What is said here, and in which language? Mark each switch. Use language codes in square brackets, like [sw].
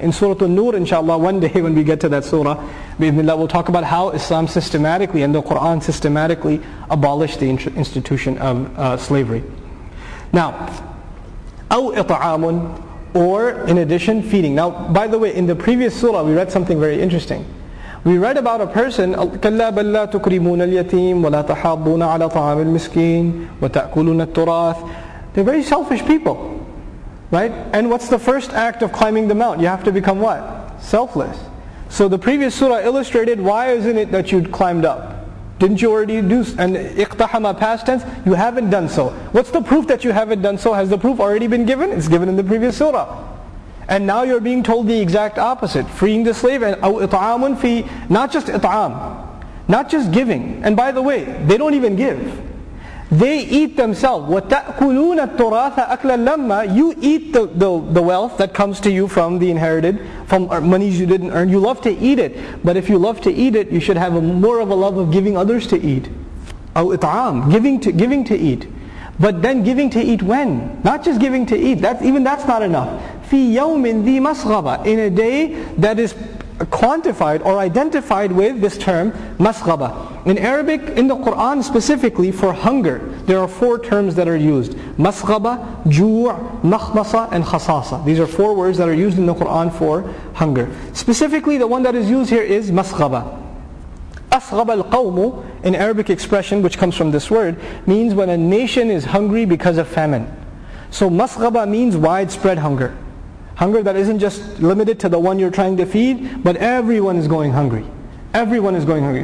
[en] In Surah An-Nur, inshallah, one day when we get to that surah, bismillah, we'll talk about how Islam systematically and the Qur'an systematically abolished the institution of slavery. Now, [ar] أَوْ إِطْعَامٌ, [en] or in addition, feeding. Now, by the way, in the previous surah, we read something very interesting. We read about a person, [ar] كَلَّا بَلَّا تُكْرِمُونَ الْيَتِيمُ وَلَا تَحَابُّونَ عَلَى طَعَامِ الْمِسْكِينَ وَتَأْكُلُونَ التُّرَاثِ. [en] They're very selfish people. Right? And what's the first act of climbing the mount? You have to become what? Selfless. So the previous surah illustrated, why isn't it that you'd climbed up? Didn't you already do, and iqtahama past tense, you haven't done so. What's the proof that you haven't done so? Has the proof already been given? It's given in the previous surah. And now you're being told the exact opposite. Freeing the slave, and [ar] aw it'amun fi, [en] not just it'am, not just giving. And by the way, they don't even give. They eat themselves. [ar] وَتَأْكُلُونَ التُّرَاثَ أَكْلًا لَمَّا. [en] You eat the wealth that comes to you from the inherited, from monies you didn't earn. You love to eat it. But if you love to eat it, you should have more of a love of giving others to eat. [ar] أَوْ إِطْعَام. [en] Giving to eat. But then giving to eat when? Not just giving to eat. That's not enough. [ar] فِي يَوْمٍ ذِي مَسْغَبَة. [en] In a day that is quantified or identified with this term, مَسْغَبَة. In Arabic, in the Qur'an specifically, for hunger, there are four terms that are used. [ar] مَسْغَبَة, جُوع, مَخْمَصَة, and خَصَاصَة. [en] These are four words that are used in the Qur'an for hunger. Specifically, the one that is used here is مَسْغَبَة. [ar] أَسْغَبَ الْقَوْمُ, [en] an Arabic expression which comes from this word, means when a nation is hungry because of famine. So مَسْغَبَة means widespread hunger. Hunger that isn't just limited to the one you're trying to feed, but everyone is going hungry. Everyone is going hungry.